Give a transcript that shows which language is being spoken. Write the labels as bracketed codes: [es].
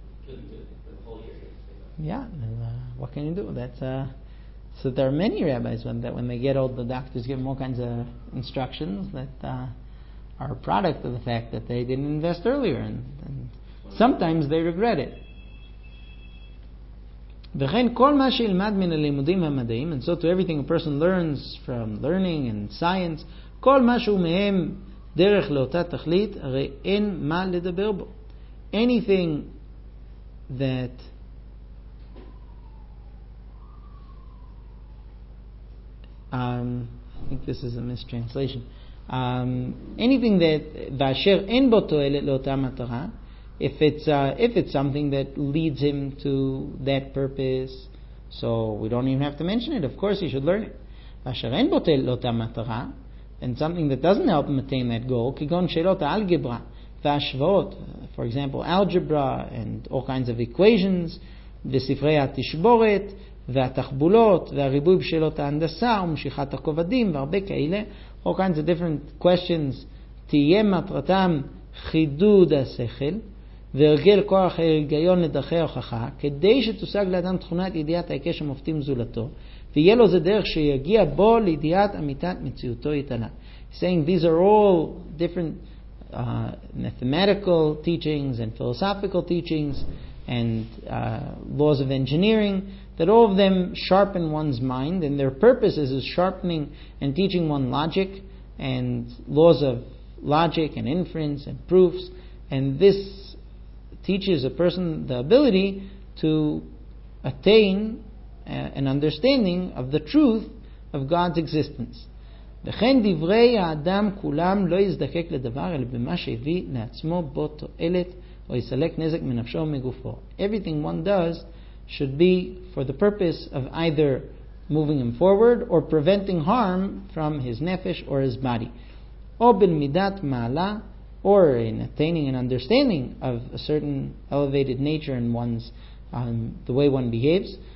[en] He couldn't do it for the whole year. Yeah, and what can you do? So there are many rabbis when they get old, the doctors give them all kinds of instructions that are a product of the fact that they didn't invest earlier, and sometimes they regret it. [he] וכן כל מה שילמד מן הלימודים המדעיים, [en] and so to everything a person learns from learning and science, [he] כל מה שהוא מהם דרך לאותה תכלית, הרי אין מה לדבר בו. [en] Anything that I think this is a mistranslation. Anything that [he] v'asher en bo toelet l'otah matara, [en] if it's something that leads him to that purpose, so we don't even have to mention it. Of course, he should learn it. [he] V'asher en bo toelet l'otah matara, [en] and something that doesn't help him attain that goal, [he] kigon shelot algebra v'ashvot, [en] for example, algebra and all kinds of equations, [he] v'sifrei ha'tishboret. והתחבולות והריבוי בשאלות ההנדסה ומשיכת הכובדים והרבה כאלה, [en] all kinds of different questions, [he] תהיה מטרתם חידוד השכל והרגל כוח ההיגיון לדרכי ההוכחה, כדי שתושג לאדם תכונת ידיעת ההיקש המופתים זולתו, ויהיה לו זה דרך שיגיע בו לידיעת אמיתת מציאותו יתנה. [en] Saying these are all different mathematical teachings and philosophical teachings and laws of engineering, that all of them sharpen one's mind, and their purpose is sharpening and teaching one logic and laws of logic and inference and proofs, and this teaches a person the ability to attain an understanding of the truth of God's existence. [he] וכן דברי האדם כולם לא יזדקק לדבר אלא במה שהביא לעצמו בו תועלת או יסלק נזק מנפשו ומגופו. [en] Everything one does should be for the purpose of either moving him forward or preventing harm from his nefesh or his body. [he] או בלמידת מעלה, [en] or in attaining an understanding of a certain elevated nature in one's the way one behaves.